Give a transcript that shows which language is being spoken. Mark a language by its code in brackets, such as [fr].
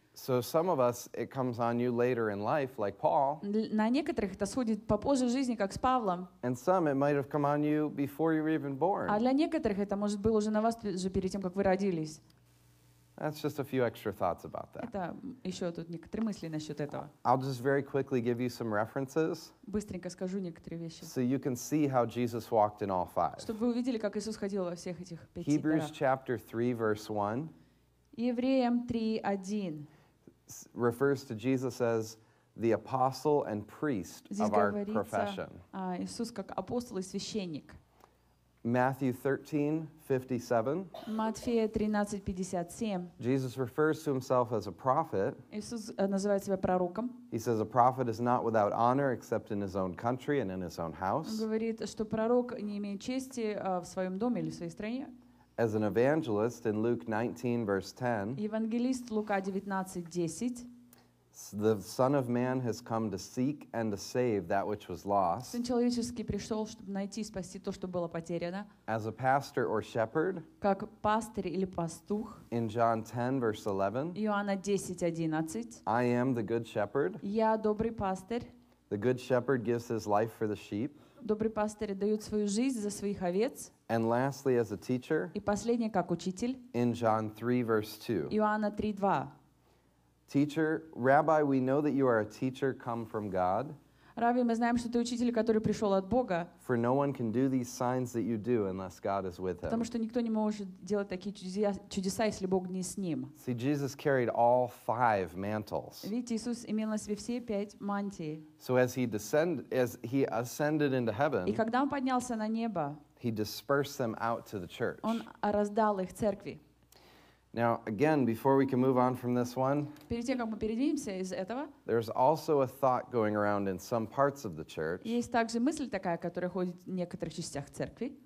[en] So some of us, it comes on you later in life, like Paul. [ru] На некоторых это сходит попозже в жизни, как с Павлом. [en] And some, it might have come on you before you were even born. [ru] А для некоторых это может было уже на вас же перед тем, как вы родились. [en] That's just a few extra thoughts about that. [ru] Это еще тут некоторые мысли насчет этого. [en] I'll just very quickly give you some references. [ru] Быстренько скажу некоторые вещи. [en] So you can see how Jesus walked in all five. [ru] Чтобы вы увидели, как Иисус ходил во всех этих пяти дарах. [en] Hebrews chapter 3, verse 1. [ru] Евреям 3:1. [en] Refers to Jesus as the apostle and priest of our profession. [ru] Иисус как апостол и священник. [en] Matthew 13:57. Jesus refers to himself as a prophet. [ru] Иисус называет себя пророком. [en] He says a prophet is not without honor except in his own country and in his own house. [ru] Он говорит, что пророк не имеет чести в своем доме или в своей стране. [en] As an evangelist in Luke 19, verse 10. [ru] Евангелист Лука 19:10. [en] The Son of Man has come to seek and to save that which was lost. [ru] Сын человеческий пришел, чтобы найти и спасти то, что было потеряно. [en] As a pastor or shepherd. [ru] Как пастырь или пастух. [en] In John 10, verse 11. [ru] Иоанна 10:11. [en] I am the good shepherd. [ru] Я добрый пастырь. [en] The good shepherd gives his life for the sheep. [ru] Добрый пастырь дает свою жизнь за своих овец. [en] And lastly, as a teacher. [ru] И последнее, как учитель. [en] In John 3, verse 2. [ru] Иоанна 3:2. [en] Teacher, Rabbi, we know that you are a teacher come from God. [ru] Рави, мы знаем, что ты учитель, который пришел от Бога. [en] For no one can do these signs that you do unless God is with him. [ru] Потому что никто не может делать такие чудеса, если Бог не с ним. [en] See, Jesus carried all five mantles. [ru] Видите, Иисус имел на себе все пять мантий. [en] So as he ascended into heaven. [ru] И когда он поднялся на небо. [en] He dispersed them out to the church. [ru] Он раздал их церкви. [en] Now, again, before we can move on from this one, [ru] перед тем, как мы передвинемся из этого, [en] there's also a thought going around in some parts of the church, [ru] есть также мысль такая, которая ходит в некоторых частях церкви,